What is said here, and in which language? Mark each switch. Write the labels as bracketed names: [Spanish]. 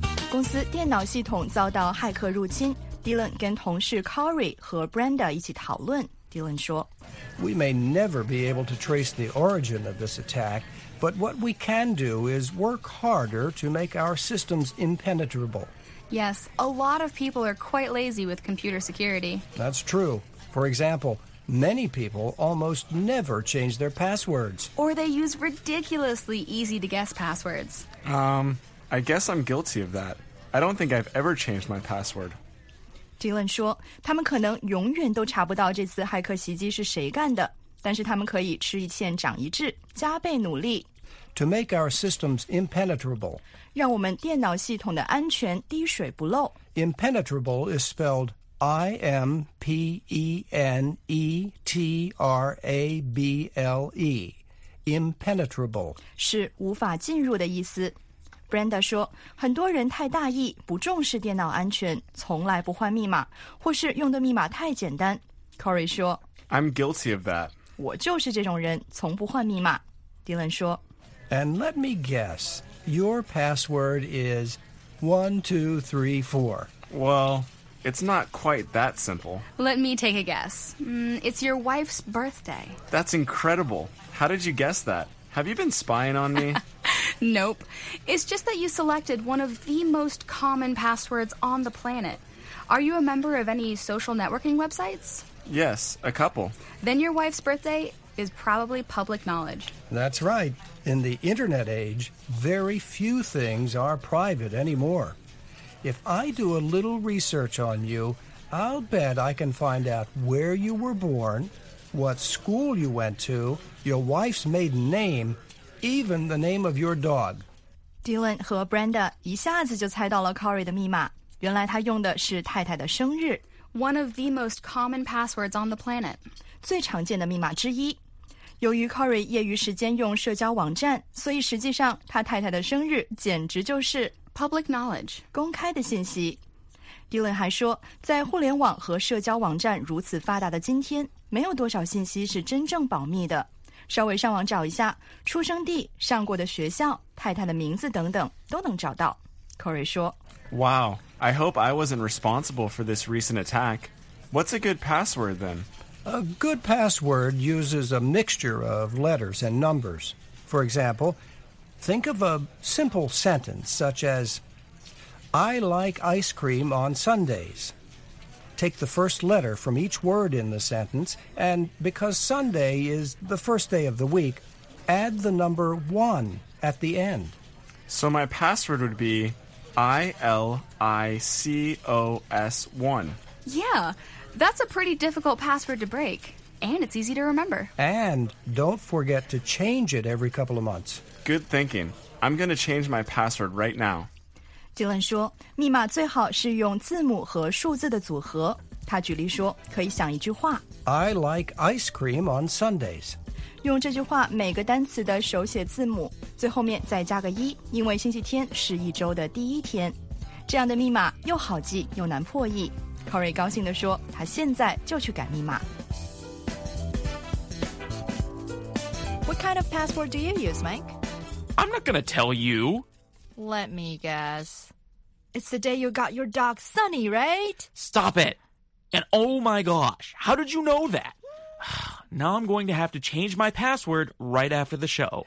[Chinese] 公司电脑系统遭到骇客入侵， Dylan 跟同事 Corey 和 Brenda 一起讨论。 Dylan 说， [English] We may never be able to trace the origin of this attack, but what we can do is work harder to make our systems impenetrable. Yes, a lot of people are quite lazy with computer security. That's true. For example, many people almost never change their passwords. Or they use ridiculously easy-to-guess passwords. I guess I'm guilty of that. I don't think I've ever changed my password. [Chinese] Dylan 说，他们可能永远都查不到这次骇客袭击是谁干的，但是他们可以吃一堑长一智，加倍努力。 [English] To make our systems impenetrable. [Chinese] 让我们电脑系统的安全滴水不漏。 [English] Impenetrable is spelled I-M-P-E-N-E-T-R-A-B-L-E. Impenetrable. [Chinese] 是无法进入的意思。 Brenda 说，很多人太大意，不重视电脑安全，从来不换密码，或是用的密码太简单。 Corey 说， [English] I'm guilty of that. [Chinese] 我就是这种人，从不换密码。 Dylan 说， [English] And let me guess, your password is 1234. Well, it's not quite that simple. Let me take a guess. It's your wife's birthday. That's incredible. How did you guess that? Have you been spying on me? Nope. It's just that you selected one of the most common passwords on the planet. Are you a member of any social networking websites? Yes, a couple. Then your wife's birthday is probably public knowledge. That's right. In the internet age, very few things are private anymore. If I do a little research on you, I'll bet I can find out where you were born, what school you went to, your wife's maiden name, even the name of your dog. [Chinese] Dylan 和 Brenda 一下子就猜到了 Corey 的密码，原来他用的是太太的生日。 [English] One of the most common passwords on the planet. [Chinese] 最常见的密码之一。由于 Corey 业余时间用社交网站，所以实际上他太太的生日简直就是 [English] public knowledge, [Chinese] 公开的信息。 Dylan 还说，在互联网和社交网站如此发达的今天，没有多少信息是真正保密的。稍微上网找一下，出生地、上过的学校、太太的名字等等，都能找到。 Corey 说 [English] ，Wow, I hope I wasn't responsible for this recent attack. What's a good password then? A good password uses a mixture of letters and numbers. For example, think of a simple sentence such as, I like ice cream on Sundays. Take the first letter from each word in the sentence, and because Sunday is the first day of the week, add the number 1 at the end. So my password would be ILICOS1. Yeah, that's a pretty difficult password to break, and it's easy to remember. And don't forget to change it every couple of months. Good thinking. I'm going to change my password right now. [Chinese] Dylan 说，密码最好是用字母和数字的组合。他举例说，可以想一句话 [English] ：I like ice cream on Sundays。 [Chinese] 用这句话每个单词的手写字母，最后面再加个一，因为星期天是一周的第一天。这样的密码又好记又难破译。Corey 高兴地说，他现在就去改密码。 [English] What kind of password do you use, Mike? I'm not going to tell you. Let me guess. It's the day you got your dog, Sunny, right? Stop it! And oh my gosh, how did you know that? Now I'm going to have to change my password right after the show.